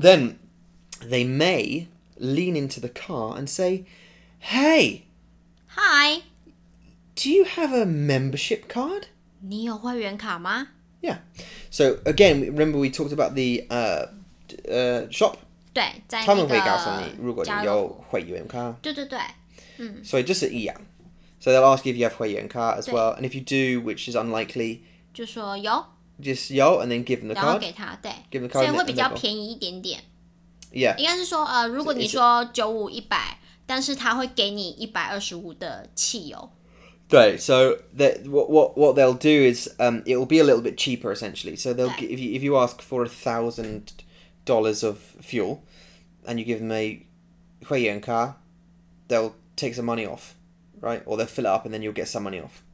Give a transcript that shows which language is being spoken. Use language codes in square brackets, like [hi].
[en] Then they may lean into the car and say， "Hey， hi， do you have a membership card？ [zh] 你有会员卡吗 [en] ？Yeah， so again， remember we talked about the shop. [zh] 对，在他们会告诉你，如果你有会员卡。对对对，嗯。所以就是一样。 [en] So they'll ask you if you have 会员卡 as well, and if you do, which is unlikely, [zh] 就说有。 [en] Just 有 and then give them the card. [zh] 然后给他，对。 [en] Give them the card. [zh] 所以会比较便宜一点点。 [en] Yeah. [zh] 应该是说，如果你说95 100，但是他会给你125的汽油。 [en] 对, so that what they'll do is it'll be a little bit cheaper essentially. So they'll give, if you ask for $1,000 of fuel, and you give them a 会员卡, they'll take some money off, right? Or they'll fill it up and then you'll get some money off.